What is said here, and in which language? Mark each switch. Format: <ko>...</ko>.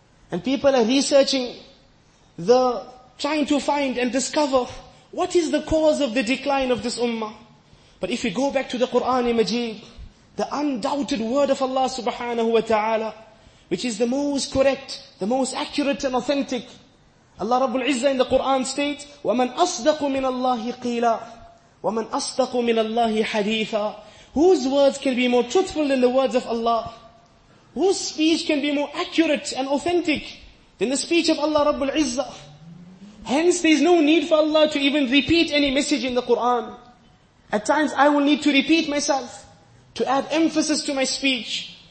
<en>And people are researching, trying to find and discover what is the cause of the decline of this ummah. But if we go back to the Qur'an Majeed, the undoubted word of Allah subhanahu wa ta'ala, which is the most correct, the most accurate and authentic. Allah Rabbul Izzah in the Qur'an states,</en> <ar>وَمَنْ أَصْدَقُ مِنَ اللَّهِ قِيلًا وَمَنْ أَصْدَقُ مِنَ اللَّهِ حَدِيثًا.</ar> <en>Whose words can be more truthful than the words of Allah? Whose speech can be more accurate and authentic than the speech of Allah Rabbul Izzah? Hence, there is no need for Allah to even repeat any message in the Qur'an. At times I will need to repeat myself, to add emphasis to my speech.</en>